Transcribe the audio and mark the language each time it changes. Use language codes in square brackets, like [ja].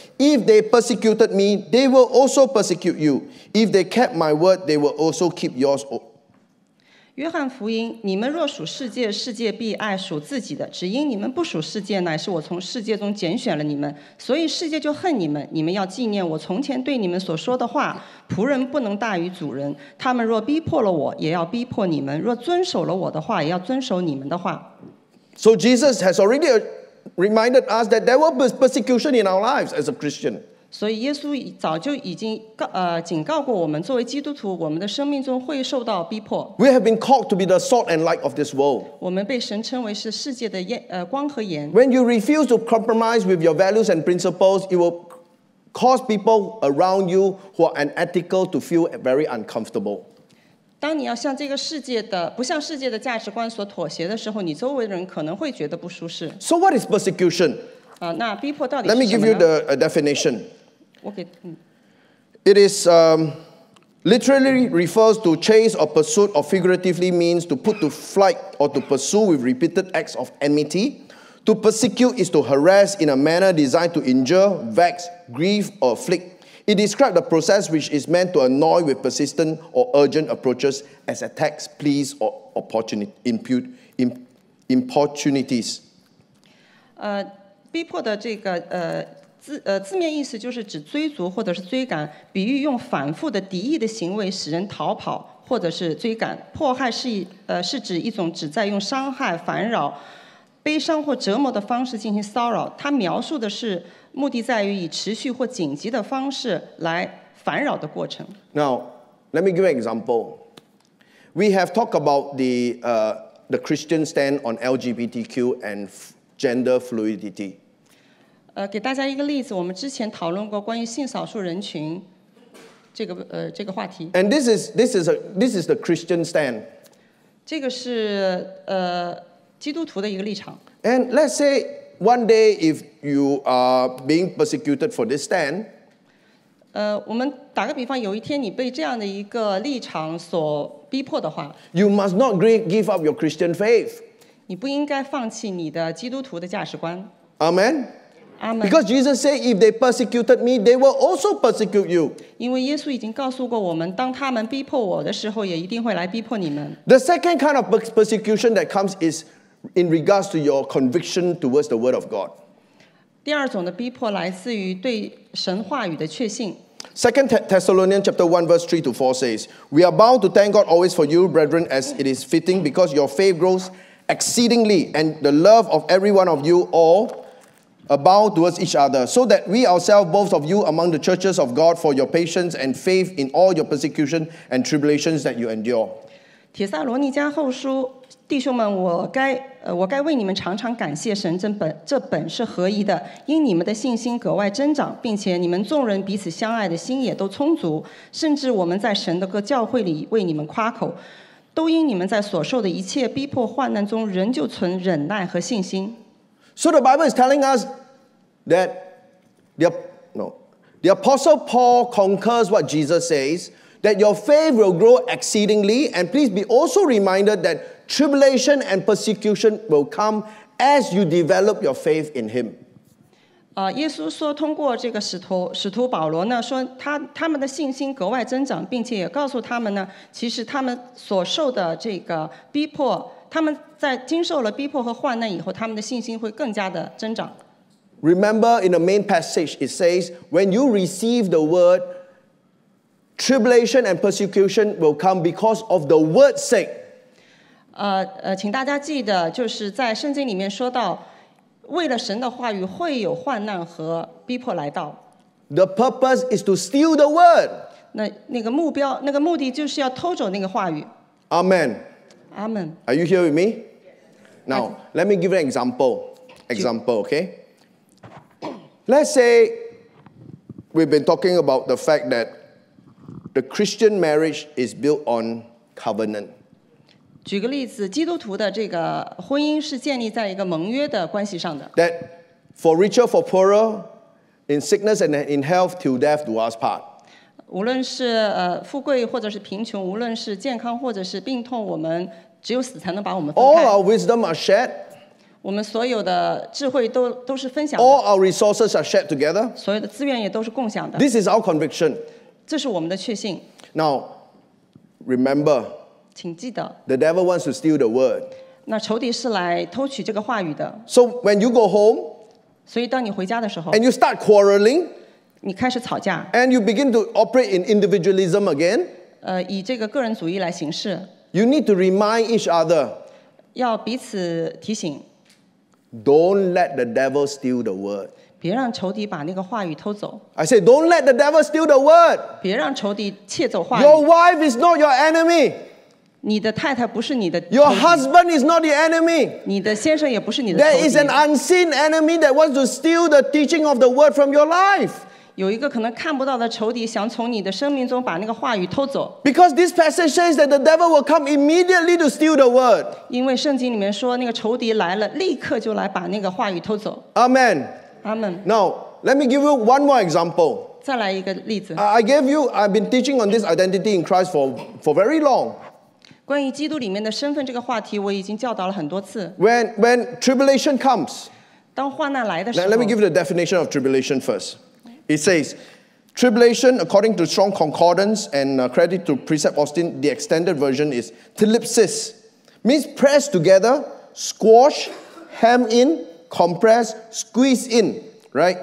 [en] If they persecuted me, they will also persecute you. If they kept my word, they will also keep yours. [zh] 约翰福音，你们若属世界，世界必爱属自己的，只因你们不属世界，乃是我从世界中拣选了你们，所以世界就恨你们。你们要纪念我从前对你们所说的话，仆人不能大于主人，他们若逼迫了我，也要逼迫你们，若遵守了我的话，也要遵守你们的话。 [en] So Jesus has already reminded us that there will be persecution in our lives as a Christian. [zh] 所以耶稣早就已经警告过我们，作为基督徒，我们的生命中会受到逼迫。 [en] We have been called to be the salt and light of this world. [zh] 我们被神称为是世界的光和盐。 [en] When you refuse to compromise with your values and principles, it will cause people around you who are unethical to feel very uncomfortable. [zh] 当你要向这个世界的不向世界的价值观所妥协的时候，你周围的人可能会觉得不舒适。 [en] So what is persecution? [zh] 那逼迫到底是什么呢？ [en] Let me give you the definition. Okay. It is literally refers to chase or pursuit, or figuratively means to put to flight or to pursue with repeated acts of enmity. To persecute is to harass in a manner designed to injure, vex, grieve, or afflict. It describes the process which is meant to annoy with persistent or urgent approaches as attacks, pleas, or importunities. [zh] 逼迫的这个字面意思就是指追逐或者是追赶，比喻用反复的敌意的行为使人逃跑或者是追赶。迫害是指一种旨在用伤害、烦扰、悲伤或折磨的方式进行骚扰。它描述的是。目的在于以持续或紧急的方式来烦扰的过程。 [en] Now, let me give an example. We have talked about the Christian stand on LGBTQ and gender fluidity. [zh] 给大家一个例子，我们之前讨论过关于性少数人群这个话题。 [en] And this is the Christian stand. [zh] 这个是基督徒的一个立场。 [en] And let's say. One day, if you are being persecuted for this stand, [zh] 我们打个比方，有一天你被这样的一个立场所逼迫的话， [en] you must not give up your Christian faith. [zh] 你不应该放弃你的基督徒的价值观。 [en] Amen. Amen. Because Jesus said, "If they persecuted me, they will also persecute you." [zh] 因为耶稣已经告诉过我们，当他们逼迫我的时候，也一定会来逼迫你们。 [en] The second kind of persecution that comes is. In regards to your conviction towards the word of God. [zh] 第二种的逼迫来自于对神话语的确信。 [en] Second Thessalonians chapter 1 verse 3 to 4 says, We are bound to thank God always for you, brethren, as it is fitting, because your faith grows exceedingly, and the love of every one of you all abound towards each other, so that we ourselves, both of you among the churches of God, for your patience and faith in all your persecution and tribulations that you endure. [zh] 帖撒罗尼迦后书，弟兄们，我该为你们常常感谢神，这本是合宜的，因你们的信心格外增长，并且你们众人彼此相爱的心也都充足，甚至我们在神的各教会里为你们夸口，都因你们在所受的一切逼迫患难中仍旧存忍耐和信心。 [en] So the Bible is telling us that the Apostle Paul concurs what Jesus says. That your faith will grow exceedingly, and please be also reminded that tribulation and persecution will come as you develop your faith in Him. [zh] 耶稣说，通过这个使徒保罗呢，说他们的信心格外增长，并且也告诉他们呢，其实他们所受的这个逼迫，他们在经受了逼迫和患难以后，他们的信心会更加的增长。 [en] Remember, in the main passage, it says, "When you receive the word." Tribulation and persecution will come because of the word's sake. [zh] 请大家记得，就是在圣经里面说到，为了神的话语会有患难和逼迫来到。 [en] The purpose is to steal the word. [zh] 那个目的就是要偷走那个话语。 [en] Amen. Amen. Are you here with me? Now, let me give an example. Example, okay? Let's say we've been talking about the fact that. The Christian marriage is built on covenant. [zh] 举个例子，基督徒的这个婚姻是建立在一个盟约的关系上的。 [en] That for richer, for poorer, in sickness and in health, till death do us part. [zh] 无论是富贵或者是贫穷，无论是健康或者是病痛，我们只有死才能把我们分开。 [en] All our wisdom are shared. [zh] 我们所有的智慧都是分享的。 [en] All our resources are shared together. [zh] 所有的资源也都是共享的。 [en] This is our conviction. [zh] 这是我们的确信。 [en] Now, remember, [zh] 请记得。 [en] The devil wants to steal the word. [zh] 那仇敌是来偷取这个话语的。 [en] So when you go home, [zh] 所以当你回家的时候 [en] ，and you start quarreling, [zh] 你开始吵架 [en] ，and you begin to operate in individualism again, [zh] 以这个个人主义来行事。 [en] You need to remind each other. [zh] 要彼此提醒。 [en] Don't let the devil steal the word. [zh] 别让仇敌把那个话语偷走。 [en] I say, don't let the devil steal the word. [zh] 别让仇敌窃走话语。 [en] Your wife is not your enemy. [zh] 你的太太不是你的。 [en] Your husband is not the enemy. [zh] 你的先生也不是你的仇敌。 [en] There is an unseen enemy that wants to steal the teaching of the word from your life. [zh] 有一个可能看不到的仇敌想从你的生命中把那个话语偷走。 [en] Because this passage says that the devil will come immediately to steal the word. [zh] 因为圣经里面说那个仇敌来了，立刻就来把那个话语偷走。 [en] Amen. Amen. Now, let me give you one more example. [zh] 再来一个例子。 [en] I've been teaching on this identity in Christ for very long. [zh] 关于基督里面的身份这个话题，我已经教导了很多次。 [en] When tribulation comes, [zh] 当患难来的时候。 [en] Let me give you the definition of tribulation first. It says, tribulation, according to Strong Concordance and credit to Precept Austin, the extended version is tilipsis, means press together, squash, hem in, compress, squeeze in, right?